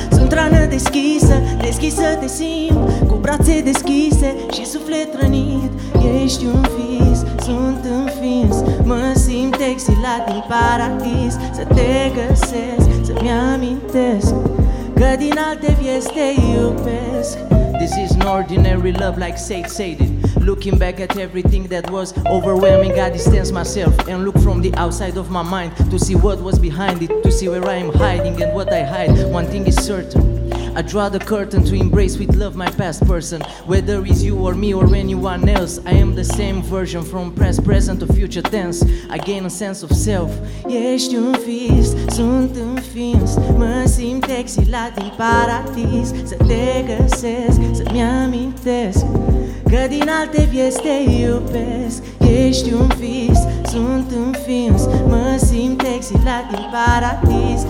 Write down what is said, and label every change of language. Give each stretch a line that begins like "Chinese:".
Romanian: Sunt rană deschisă, deschisă te simt, cu brațe deschise și suflet rănit. Ești un vis, sunt înfins, mă simt exilat din paradis. Să te găsesc, să-mi amintesc că din alte vieți te iubesc.
English: This is an ordinary love like Sade said it. Looking back at everything that was overwhelming, I distance myself and look from the outside of my mind to see what was behind it, to see where I am hiding and what I hide. One thing is certain, I draw the curtain to embrace with love my past person. Whether it's you or me or anyone else, I am the same version from past, present to future tense. I gain a sense of self.
Romanian: Ești un vis, sunt în fins. Mă simt exilat din paradis. Să te găsesc, să-mi amintesc că din alte vieți te iubesc. Ești un vis, sunt în fins. Mă simt exilat din paradis.